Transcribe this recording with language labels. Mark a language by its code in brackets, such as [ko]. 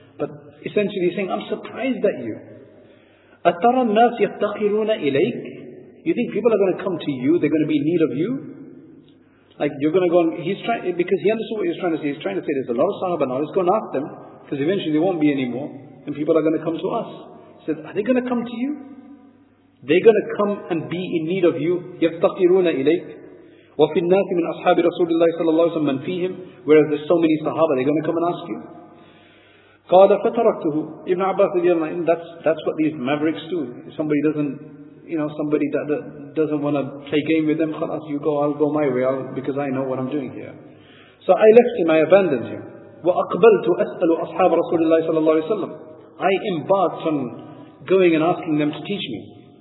[en] But essentially he's saying, I'm surprised that you. [ar] أَتَرَى النَّاسِ يَفْتَقِرُونَ إِلَيْكَ [en] You think people are going to come to you, they're going to be in need of you? Like you're going to go and... Because he understood what he was trying to say. He's trying to say there's a lot of sahaba now. Let's go and ask them. Because eventually they won't be anymore. And people are going to come to us. He said, are they going to come to you? They're going to come and be in need of you. [ar] يَفْتَقِرُونَ إِلَيْكَ وَفِي النَّاسِ مِنْ أَصْحَابِ رَسُولِ اللَّهِ صَلَى اللَّهُ وَسَلَّمَ مَنْ فِيهِمْ [en] Whereas there's so many sahaba, they're going to come and ask you. [ar] قَالَ فَتَرَكْتُهُ [en] Ibn Abbas said, that's what these mavericks do. If somebody doesn't, you know, somebody that doesn't want to play game with them, خلاص, you go, I'll go my way, because I know what I'm doing here. So I left him, I abandoned him. [ar] وَأَقْبَلْتُ أَسْأَلُ أَصْحَابَ رَسُولِ اللَّهِ صَلَى اللَّهُ وَسَلَّمَ [en] I embarked on going and asking them to teach me.